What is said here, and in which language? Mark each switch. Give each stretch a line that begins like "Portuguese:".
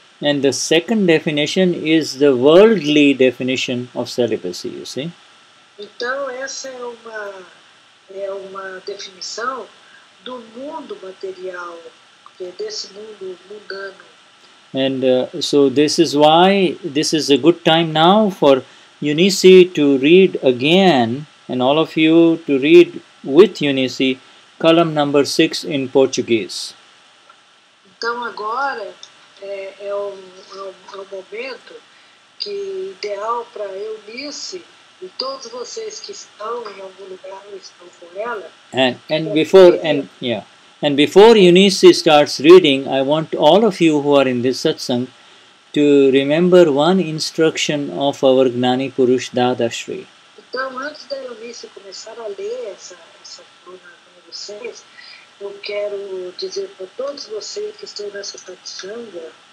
English: And the second definition is the worldly definition of celibacy, you see.
Portuguese: Então, essa é uma definição do mundo material, desse mundo mundano.
English: And so this is why this is a good time now for Eunice to read again, and all of you to read with Eunice, column number 6 in Portuguese.
Portuguese: Então, agora... É um momento que ideal para Eunice e todos vocês que estão em algum lugar ou estão com ela.
English: And before Eunice starts reading, I want all of you who are in this satsang to remember one instruction of our Gnani Purush Dadashri.
Portuguese: Então, antes da Eunice começar a ler essa coluna com vocês, eu quero dizer para todos vocês que estão nessa satsanga.